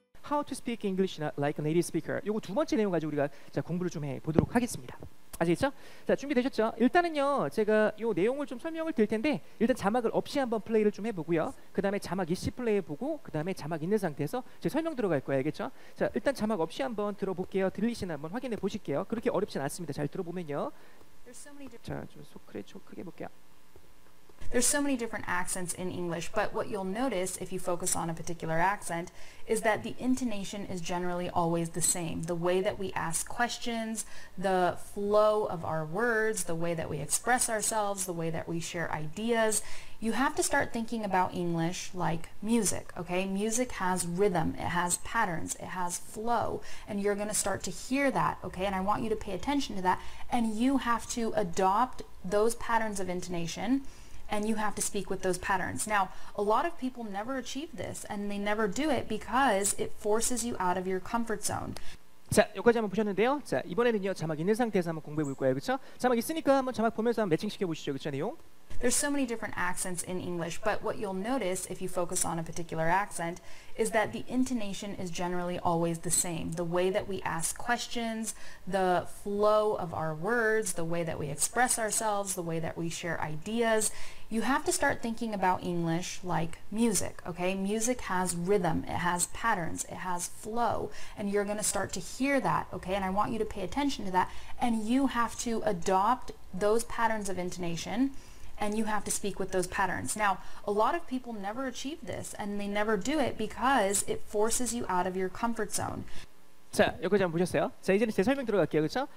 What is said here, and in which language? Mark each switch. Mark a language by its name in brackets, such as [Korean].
[English] How to speak English like a native speaker. [Korean] 요거 두 번째 내용 가지고 우리가 자, 공부를 좀 해보도록 하겠습니다. 아시겠죠? 자, 준비되셨죠? 일단은요, 제가 요 내용을 좀 설명을 드릴 텐데 일단 자막을 없이 한번 플레이를 좀 해보고요. 그 다음에 자막 이시 플레이해보고 그 다음에 자막 있는 상태에서 제가 설명 들어갈 거예요. 알겠죠? 자, 일단 자막 없이 한번 들어볼게요. 들리시나 한번 확인해 보실게요. 그렇게 어렵진 않습니다. 잘 들어보면요. 자, 좀 소크레 좀 크게 볼게요. [English] There's so many different accents in English, but what you'll notice if you focus on a particular accent is that the intonation is generally always the same. The way that we ask questions, the flow of our words, the way that we express ourselves, the way that we share ideas. You have to start thinking about English like music, okay? Music has rhythm, it has patterns, it has flow, and you're going to start to hear that, okay? And I want you to pay attention to that, and you have to adopt those patterns of intonation. And you have to speak with those patterns. Now, a lot of people never achieve this, and they never do it because it forces you out of your comfort zone. [Korean] 자, 여기까지 한번 보셨는데요. 자, 이번에는요, 자막 있는 상태에서 한번 공부해 볼 거예요. 그렇죠? 자막 있으니까 한번 자막 보면서 한번 매칭시켜 보시죠. 그쵸, 내용? [English] There's so many different accents in English, but what you'll notice if you focus on a particular accent is that the intonation is generally always the same. The way that we ask questions, the flow of our words, the way that we express ourselves, the way that we share ideas. You have to start thinking about English like music, okay? Music has rhythm, it has patterns, it has flow, and you're going to start to hear that, okay? And I want you to pay attention to that, and you have to adopt those patterns of intonation. And you have to speak with those patterns. Now, a lot of people never achieve this, and they never do it because it forces you out of your comfort zone. [Korean] 자, 여기까지 한번 보셨어요? 자, 이제는 제 설명 들어갈게요, 그렇죠?